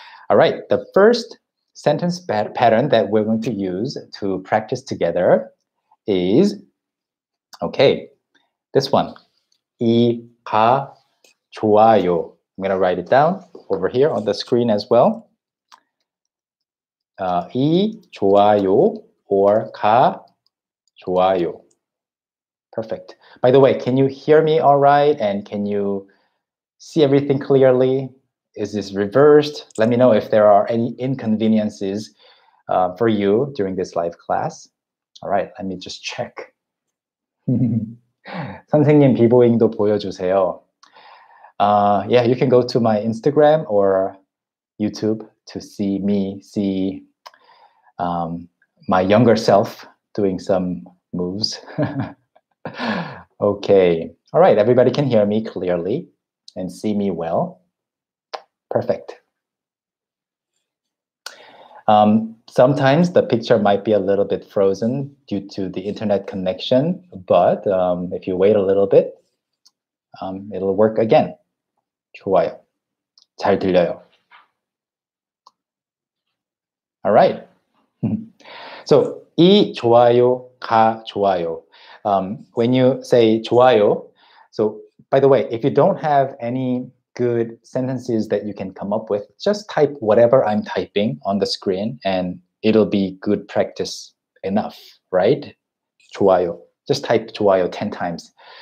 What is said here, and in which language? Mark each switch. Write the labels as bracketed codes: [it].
[en] All right, the first sentence pattern that we're going to use to practice together is, okay, this one, [ko] 이가 좋아요. [en] I'm gonna write it down over here on the screen as well. [ko] 이 좋아요 [en] or [ko] 가 좋아요. [en] Perfect. By the way, can you hear me all right? And can you see everything clearly? Is this reversed? Let me know if there are any inconveniences for you during this live class. All right, let me just check. [ko] 선생님, 비보잉도 보여주세요. [en] Yeah, you can go to my Instagram or YouTube to see me, see my younger self doing some moves. Okay. All right. Everybody can hear me clearly and see me well. Perfect. Sometimes the picture might be a little bit frozen due to the internet connection, but if you wait a little bit, it'll work again. [ko] 좋아요. 잘 들려요. [en] All right. So, [ko] 이 좋아요, 가 좋아요. [en] When you say [ko] 좋아요, [en] so by the way, if you don't have any good sentences that you can come up with, just type whatever I'm typing on the screen and it'll be good practice enough, right? [ko] 좋아요. [en] Just type 좋아요 10 times.